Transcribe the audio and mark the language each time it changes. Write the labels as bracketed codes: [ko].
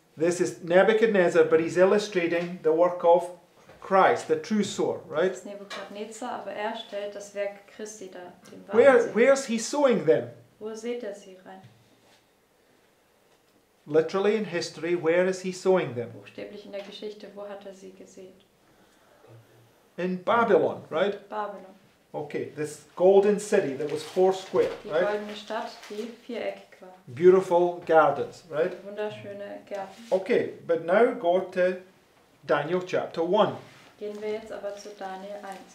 [en] This is Nebuchadnezzar, but he's illustrating the work of Christ, the true sower, right? It's [de] Nebuchadnezzar, aber er stellt das Werk Christi dar. [en] Where's he sowing them? [de] Wo sieht er sie rein? [en] Literally in history, where is he sowing them? [de] Buchstäblich in der Geschichte, wo hat er sie gesät? [en] In Babylon, right? [de] Babylon. [en] Okay, this golden city that was four square, [de] die [en] right? [de] Die goldene Stadt, die viereckig. [en] Beautiful gardens, right? [de] Wunderschöne Gärten. [en] Okay, but now go to Daniel chapter 1. [de] Gehen wir jetzt aber zu Daniel 1.